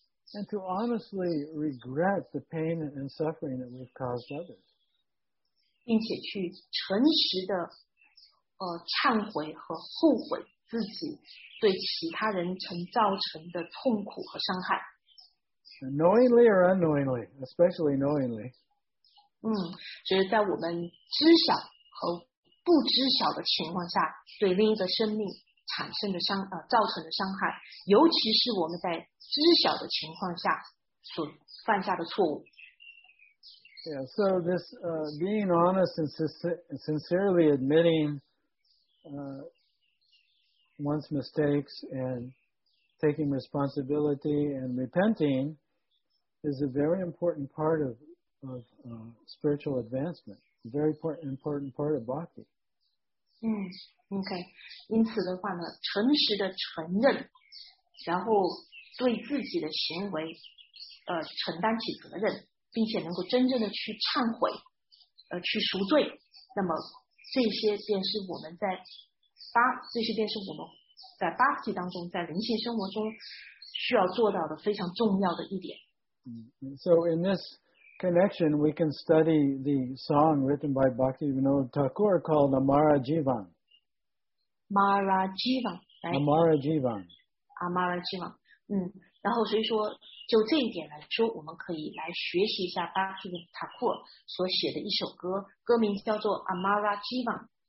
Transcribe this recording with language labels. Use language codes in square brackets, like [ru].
[en] And to honestly regret the pain and suffering that we've caused others. [zh] 并且去诚实的忏悔和后悔自己对其他人曾造成的痛苦和伤害。 [en] Knowingly or unknowingly, especially knowingly. [zh] 就是在我们知晓和不知晓的情况下，对另一个生命产生的伤，造成的伤害，尤其是我们在知晓的情况下所犯下的错误。 [en] Yeah, so this being honest and sincerely admitting one's mistakes and taking responsibility and repenting is a very important part of spiritual advancement, a very important part of bhakti. Okay. [zh] 因此的话呢，诚实的承认，然后对自己的行为承担起责任，并且能够真正的去忏悔，去赎罪，那么这些便是我们在bhakti 当中，在灵性生活中需要做到的非常重要的一点。 [en] So in this connection, we can study the song written by Bhakti Vinod Thakur called Amara Jivan. Amara Jivan. Amara Jivan. [zh] Amara Jivan. 然后所以说，就这一点来说，我们可以来学习一下 Bhakti Vinod Thakur 所写的一首歌，歌名叫做 Amara Jivan。